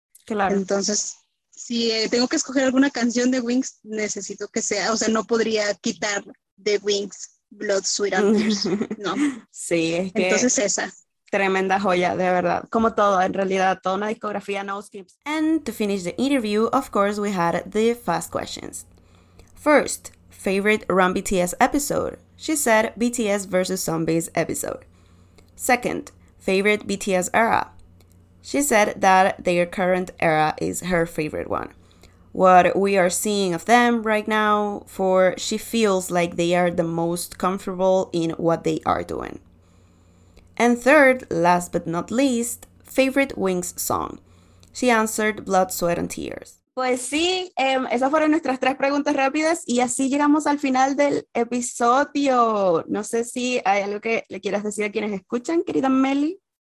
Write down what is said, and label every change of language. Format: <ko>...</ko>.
<es>Claro. Entonces, si tengo que escoger alguna canción de Wings, necesito que sea, o sea, no podría quitar de Wings Blood, Sweat and Tears. No. Sí, es Entonces, que esa. tremenda joya, de verdad. Como todo, en realidad, toda una discografía,</es> <en>no skips. And to finish the interview, of course, we had the fast questions. First, favorite Run BTS episode? She said BTS versus Zombies episode. Second, favorite BTS era? She said that their current era is her favorite one. What we are seeing of them right now, for she feels like they are the most comfortable in what they are doing. And third, last but not least, favorite Wings song. She answered Blood, Sweat and Tears.</en> <es>Pues sí, esas fueron nuestras tres preguntas rápidas y así llegamos al final del episodio. No sé si hay algo que le quieras decir a quienes escuchan, querida Meli.</es>